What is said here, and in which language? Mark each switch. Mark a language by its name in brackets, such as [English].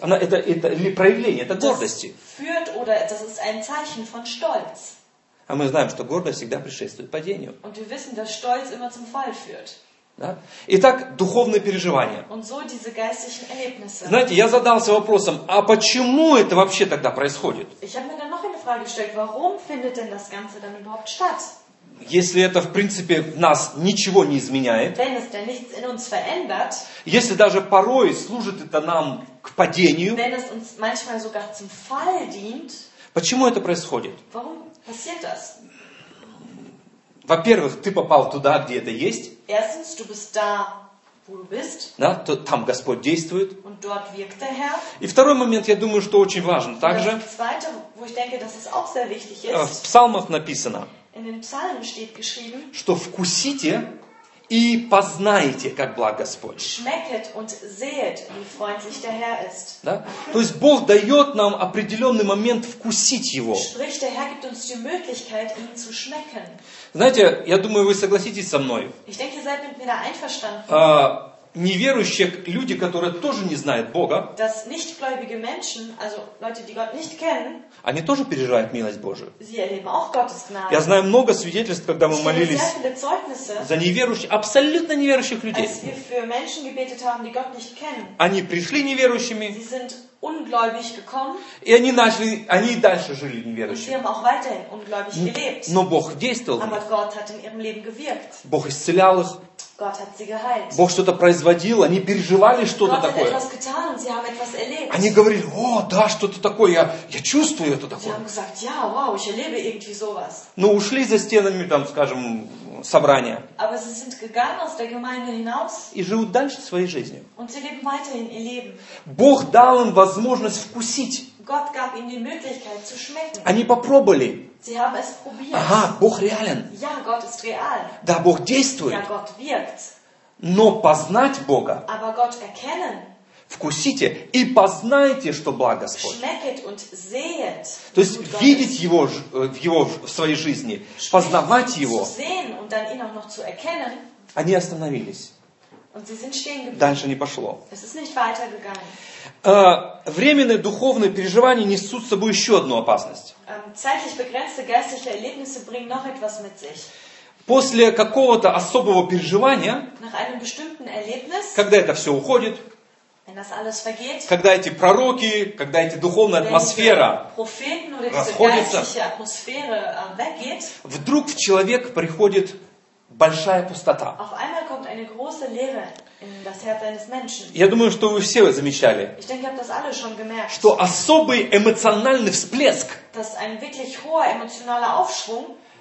[Russian] Она, это проявление, это гордости. [German] Führt oder, das ist ein Zeichen von Stolz. [Russian] А мы знаем, что гордость всегда предшествует падению. [German] Und wir wissen, dass Stolz immer zum Fall führt. [Russian] Да? Итак, духовные переживания. [German] Und so diese geistlichen Erlebnisse. [Russian] Знаете, я задался вопросом, а почему это вообще тогда происходит? [German] Ich habe mir dann noch eine Frage gestellt, warum findet denn das Ganze dann überhaupt statt? [Russian] Если это, в принципе, нас ничего не изменяет, [German] wenn es denn nichts in uns verändert, [Russian] если даже порой служит это нам к падению, [German] wenn es uns manchmal sogar zum Fall dient, [Russian] почему это происходит? [German] Warum passiert das? [Russian] Во-первых, ты попал туда, где это есть. [German] Erstens, du bist da, wo du bist. [Russian] Да, то, там Господь действует. [German] Und dort wirkt der Herr. [Russian] И второй момент, я думаю, что очень важен. [German] Und [Russian] также, [German] das zweite, wo ich denke, dass es auch sehr wichtig ist, [Russian] в Псалмах написано, [German] in den Psalmen steht geschrieben, [Russian] что вкусите и познаете, как благ Господь. [German] Schmecket und sehet, wie freundlich der Herr ist. [Russian] Да? То есть Бог дает нам определенный момент вкусить Его. [German] Sprich, der Herr gibt uns die Möglichkeit, ihn zu schmecken. [Russian] Знаете, я думаю, вы согласитесь со мной. [German] Ich denke, ihr seid mit mir da einverstanden. [Russian] Неверующие люди, которые тоже не знают Бога, [German] dass nichtgläubige Menschen, also Leute, die Gott nicht kennen, [Russian] они тоже переживают милость Божию. [German] Sie erleben auch Gottes Gnade. [Russian] Я знаю много свидетельств, когда мы молились [German] sehr viele Zeugnisse, [Russian] за неверующих, абсолютно неверующих людей. [German] Als wir für Menschen gebetet haben, die Gott nicht kennen, [Russian] они пришли неверующими, [German] sie sind ungläubig gekommen, [Russian] и они начали, они и дальше жили неверующими. [German] Und sie haben auch weiterhin ungläubig gelebt. [Russian] Но Бог действовал. [German] Aber Gott hat in ihrem Leben gewirkt. [Russian] Бог исцелял их. [German] Gott hat sie geheilt. [Russian] Бог что-то производил, они переживали что-то такое. [German] Gott hat etwas getan, sie haben etwas erlebt. [Russian] Они говорили, о, да, что-то такое, я чувствую это такое. [German] Sie haben gesagt, ja, wow, ich erlebe irgendwie sowas. [Russian] Но ушли за стенами, там, скажем, собрания. [German] Aber sie sind gegangen aus der Gemeinde hinaus. [Russian] И живут дальше своей жизнью. [German] Und sie leben weiterhin ihr Leben. [Russian] Бог дал им возможность вкусить. [German] Gott gab ihnen die Möglichkeit zu schmecken. [Russian] Они попробовали. [German] Sie haben es probiert. [Russian] Ага, Бог реален. [German] Ja, Gott ist real. [Russian] Да, Бог действует. [German] Ja, Gott wirkt. [Russian] Но познать Бога. [German] Aber Gott erkennen. [Russian] Вкусите и познайте, что благ Господь. [German] Schmecket und sehet. [Russian] То есть видеть Его, Его в своей жизни, познавать Его. [German] Zu sehen und dann ihn auch noch zu erkennen. [Russian] Они остановились. [German] Und sie sind stehen geblieben. [Russian] Дальше не пошло. [German] Es ist nicht weitergegangen. [Russian] Временные духовные переживания несут с собой еще одну опасность. [German] Zeitlich begrenzte geistliche Erlebnisse bringen noch etwas mit sich. [Russian] После какого-то особого переживания, [German] nach einem bestimmten Erlebnis, [Russian] когда это все уходит, [German] wenn das alles vergeht, [Russian] когда эти пророки, когда эти духовная атмосфера расходится, [German] geistliche Atmosphäre weggeht, [Russian] вдруг в человек приходит большая пустота. [German] Auf einmal kommt eine große Leere in das Herz eines Menschen. [Russian] Я думаю, что вы все замечали, [German] ich denke, ihr habt das alle schon gemerkt, [Russian] что особый эмоциональный всплеск, [German] dass ein wirklich hoher emotionaler Aufschwung,